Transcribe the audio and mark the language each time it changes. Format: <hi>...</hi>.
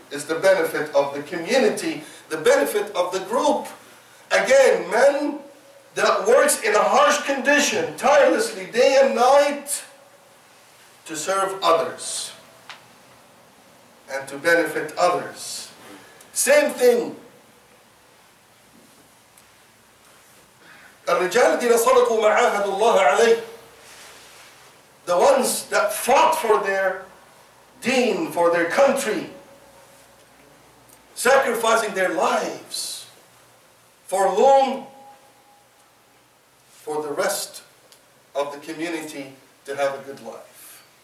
<en>It's the benefit of the community. The benefit of the group. Again, men that works in a harsh condition, tirelessly, day and night, to serve others and to benefit others. Same thing.</en> <ar>الرجال الذين صدقوا ما عاهدوا الله عليه.</ar> <en>The ones that fought for their deen, for their country, sacrificing their lives, for whom? For the rest of the community to have a good life.</en>